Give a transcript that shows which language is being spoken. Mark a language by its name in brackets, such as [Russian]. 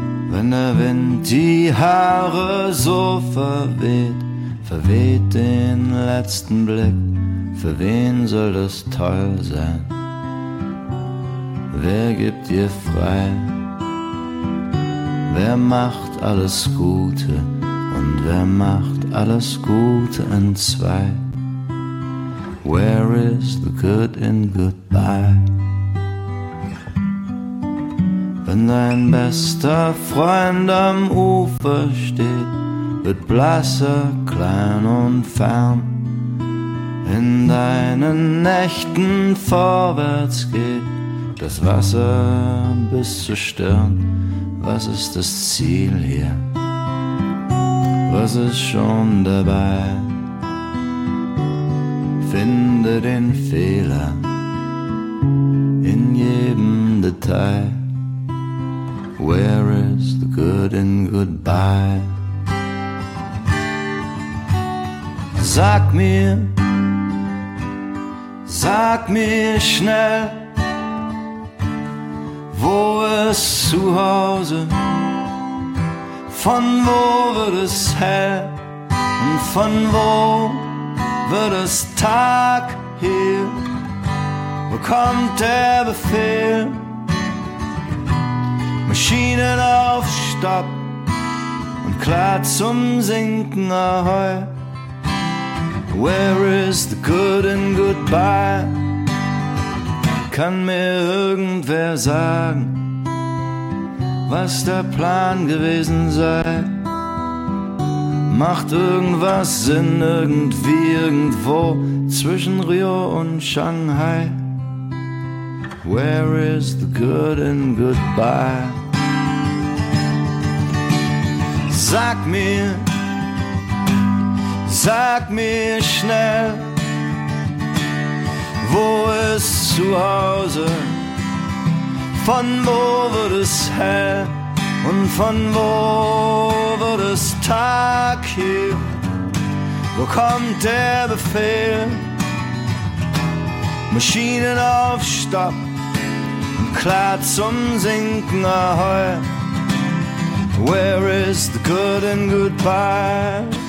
[German] Wenn der Wind die Haare so verweht, verweht den letzten Blick. Für wen soll das toll sein? Wer gibt dir frei? Wer macht alles Gute? Und wer macht alles Gute in zwei? [English] Where is the good in goodbye? [German] Wenn dein bester Freund am Ufer steht, wird blasser, klein und fern. In deinen Nächten vorwärts geht das Wasser bis zur Stirn. Was ist das Ziel hier? Was ist schon dabei? Finde den Fehler in jedem Detail. [English] Where is the good in goodbye? [German] Sag mir, sag mir schnell, wo ist zu Hause? Von wo wird es hell? Und von wo wird es Tag hier? Wo kommt der Befehl? Maschinen auf Stopp und klar zum Sinken, ahoi. [English] Where is the good in goodbye? [German] Kann mir irgendwer sagen, was der Plan gewesen sei? Macht irgendwas Sinn irgendwie irgendwo zwischen Rio und Shanghai? [English] Where is the good in goodbye? [German] Sag mir, sag mir schnell, wo ist zu Hause? Von wo wird es hell? Und von wo wird es Tag hier? Wo kommt der Befehl? Maschinen auf Stopp und klar zum Sinken, ahoi. [English] Where is the good in goodbye?